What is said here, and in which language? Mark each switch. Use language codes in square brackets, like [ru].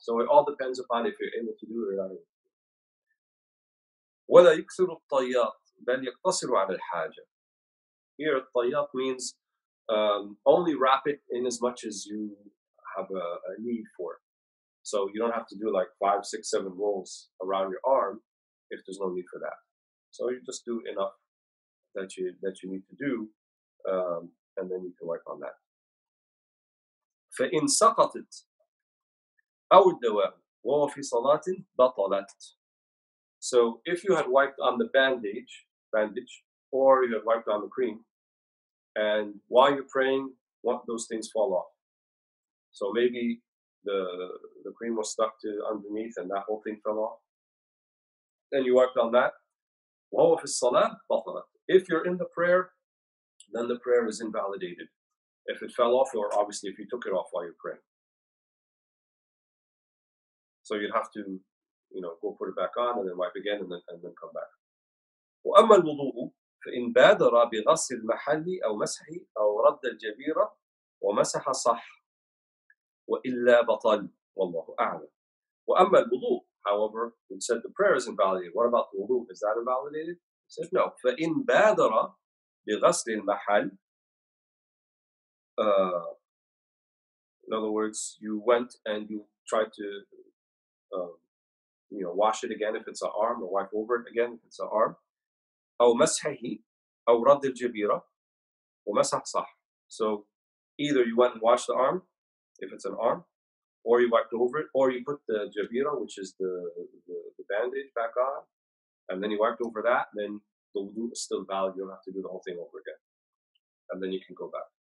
[en] So it all depends upon if you're able to do it or not. [ar] ولا يكثر الطيات بل يقتصر على الحاجة. [en] Here, الطيات means only wrap it in as much as you have a need for it. So you don't have to do like 5, 6, 7 rolls around your arm if there's no need for that. So you just do enough that you need to do, and then you can wipe on that. [ar] فإن سقطت أو الدواء وفي صلاة بطلت. [en] So if you had wiped on the bandage, or you had wiped on the cream, and while you're praying, what those things fall off. So maybe the cream was stuck to underneath, and that whole thing fell off. Then you wiped on that. [ar] وفي الصلاة بطلت. [en] If you're in the prayer, then the prayer is invalidated. If it fell off, or obviously if you took it off while you're praying. So you'd have to, you know, go put it back on and then wipe again and then come back. [ar] وأما الوضوء فإن بادر بغسل المحل أو مسح أو رد الجبيرة ومسح صح وإلا بطل والله أعلم. وأما الوضوء, [en] however, we said the prayer is invalidated. What about the wudu? Is that invalidated? He said no. [ar] فإن بادر بغسل المحل. [en] In other words, you went and you tried to wash it again if it's an arm, or wipe over it again if it's an arm. [ar] أو مسحه أو رد الجبيرة ومسح صح. [en] So either you went and washed the arm, if it's an arm, or you wiped over it, or you put the jabira, which is the bandage, back on, and then you wiped over that, then the wudu is still valid. You don't have to do the whole thing over again. And then you can go back.